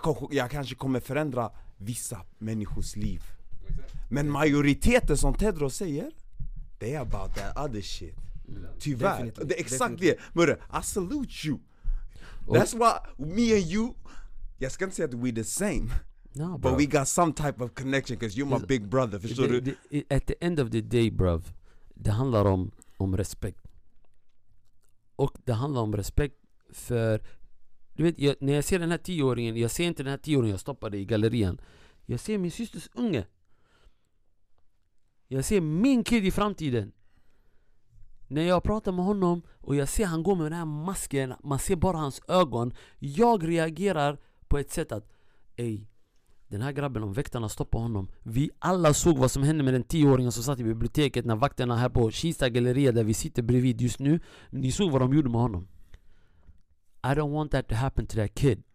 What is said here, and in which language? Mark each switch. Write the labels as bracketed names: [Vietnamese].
[Swedish] Jag kanske kommer förändra vissa människors liv. Men majoriteten, som Tedros säger, [English] They about that other shit. [Swedish] Tyvärr. Det är exakt det. [English] Murre, I salute you. That's why me and you, [Swedish] jag ska inte säga att [English] we the same. No, but we got some type of connection because you're my big brother. At the end of the day, bruv, [Swedish] det handlar om respekt. Och det handlar om respekt för, du vet, när jag ser den här tioåringen, jag ser inte den här tioåringen, jag stoppade i gallerian. Jag ser min systers unge. Jag ser min kid i framtiden. När jag pratar med honom och jag ser han går med den här masken, man ser bara hans ögon. Jag reagerar på ett sätt att, ej, den här grabben, om väktarna stoppar honom. Vi alla såg vad som hände med den tioåringen som satt i biblioteket när vakterna här på Kista galleria där vi sitter bredvid just nu. Ni såg vad de gjorde med honom. [English] I don't want that to happen to that kid.